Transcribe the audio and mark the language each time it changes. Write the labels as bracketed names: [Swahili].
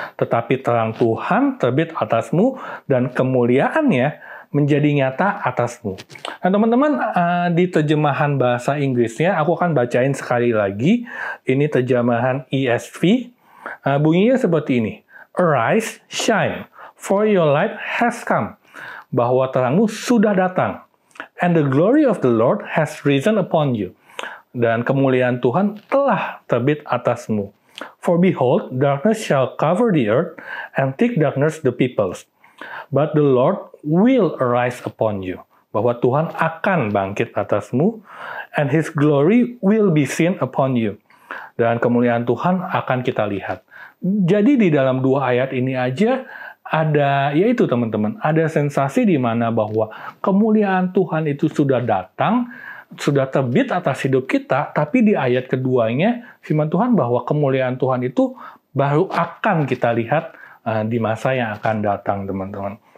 [Indonesian] Tetapi terang Tuhan terbit atasmu dan kemuliaannya menjadi nyata atasmu. Nah teman-teman, di terjemahan bahasa Inggrisnya, aku akan bacain sekali lagi. Ini terjemahan ESV. Bunyinya seperti ini. [English] Arise, shine, for your light has come. [Indonesian] Bahwa terangmu sudah datang. [English] And the glory of the Lord has risen upon you. [Indonesian] Dan kemuliaan Tuhan telah terbit atasmu. [English] For behold, darkness shall cover the earth, and thick darkness the peoples. But the Lord will arise upon you. [Indonesian] Bahwa Tuhan akan bangkit atasmu, [English] and his glory will be seen upon you. [Indonesian] Dan kemuliaan Tuhan akan kita lihat. Jadi di dalam dua ayat ini aja, ada, yaitu teman-teman, ada sensasi di mana bahwa kemuliaan Tuhan itu sudah datang, sudah terbit atas hidup kita, tapi di ayat keduanya, firman Tuhan bahwa kemuliaan Tuhan itu baru akan kita lihat di masa yang akan datang, teman-teman.